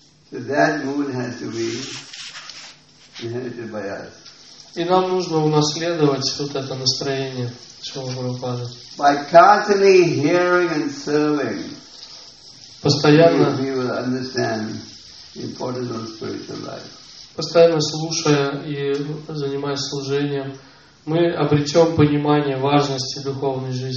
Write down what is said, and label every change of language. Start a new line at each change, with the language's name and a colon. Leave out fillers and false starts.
English: So that mood has to be inherited by us.
Russian: И нам нужно унаследовать вот это настроение Шрила Прабхупады.
English: By constantly hearing and serving,
Russian: постоянно
English: we will understand the importance of spiritual life.
Russian: Постоянно слушая и занимаясь служением, мы обретем понимание важности духовной